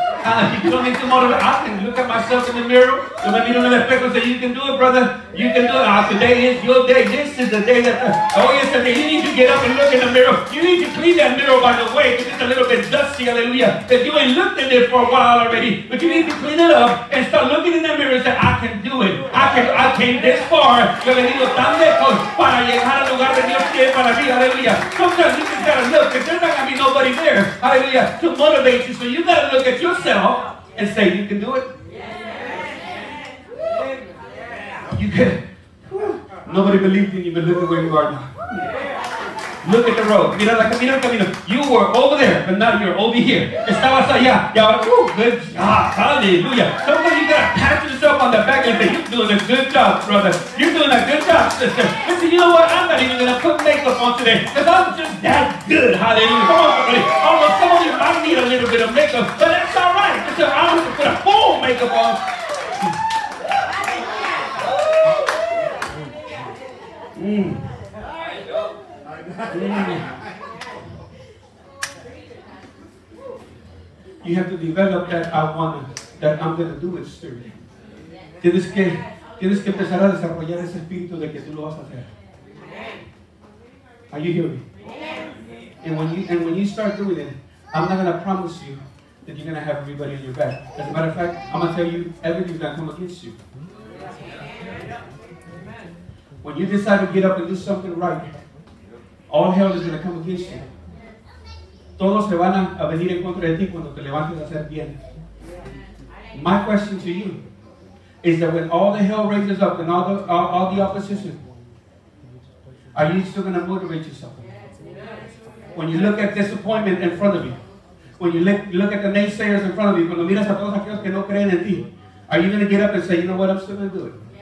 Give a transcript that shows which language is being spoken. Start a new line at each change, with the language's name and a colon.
English: If you don't need to motivate, I can look at myself in the mirror.
Spanish: Yo me miro en el espejo
English: and say, you can do it, brother. You can do it. Today is your day. This is the day that oh, yes, you need to get up and look in the mirror. You need to clean that mirror, by the way, because it's a little bit dusty, hallelujah. Because you ain't looked in it for a while already. But you need to clean it up and start looking in that mirror and say, I can do it. I came this far.
Spanish: Yo he venido tan lejos para llegar al lugar de Dios que es para mí, hallelujah.
English: Sometimes you just gotta look, because there's not gonna be nobody there, hallelujah, to motivate you. So you gotta look at yourself and say, you can do it. You can. Nobody believed in you, but look at where you are now. Look at the road.
Spanish: Mira, la, mira el camino.
English: You were over there, but now you're over here.
Spanish: Estabas allá. Y ahora,
English: woo, good job. Hallelujah. Somebody, you gotta pat yourself on the back and say, you're doing a good job, brother. You're doing a good job, sister. Listen, you know what? I'm not even gonna put makeup on today, because I'm just that good. Hallelujah. Come on, buddy. Although some of you might need a little bit of makeup, but that's all right. I don't have to put a full makeup on. You have to develop that I want it, that I'm going to do it, sir.
Spanish: Tienes que empezar a desarrollar ese espíritu de que tú lo vas a hacer.
English: Are you hearing me? And when you start doing it, I'm not going to promise you that you're going to have everybody on your back. As a matter of fact, I'm going to tell you everything's going to come against you. When you decide to get up and do something right, all hell is going to come against you.
Spanish: Todos se van a venir en contra de ti cuando te levantes a hacer bien.
English: My question to you is that when all the hell raises up and all the opposition, are you still going to motivate yourself? When you look at disappointment in front of you, when you look at the naysayers in front of you,
Spanish: cuando miras a todos aquellos que no creen en ti,
English: are you going to get up and say, you know what, I'm still going to do it?